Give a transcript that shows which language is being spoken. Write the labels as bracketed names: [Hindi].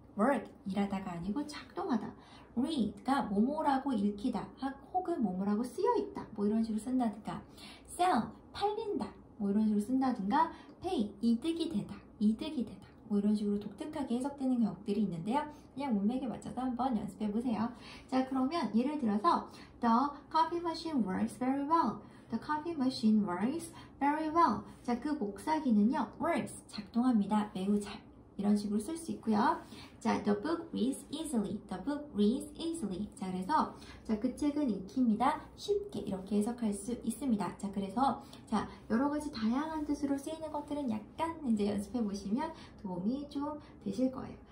[Korean] work, 일하다가 아니고 작동하다. read가 뭐뭐라고 읽히다. 혹은 뭐뭐라고 쓰여있다. 뭐 이런 식으로 쓴다든가. sell, 팔린다. 뭐 이런 식으로 쓴다든가 pay, 이득이 되다, 이득이 되다 뭐 이런 식으로 독특하게 해석되는 경우들이 있는데요. 그냥 문맥에 맞춰서 한번 연습해 보세요. 자, 그러면 예를 들어서 [English] The coffee machine works very well. The coffee machine works very well. [Korean] 자, 그 복사기는요 works, 작동합니다. 매우 잘 이런 식으로 쓸 수 있고요. [English] 자, the book reads easily. The book reads easily. [Korean] 자, 그래서 자, 그 책은 읽힙니다. 쉽게 이렇게 해석할 수 있습니다. 자, 그래서 자, 여러 가지 다양한 뜻으로 쓰이는 것들은 약간 이제 연습해 보시면 도움이 좀 되실 거예요.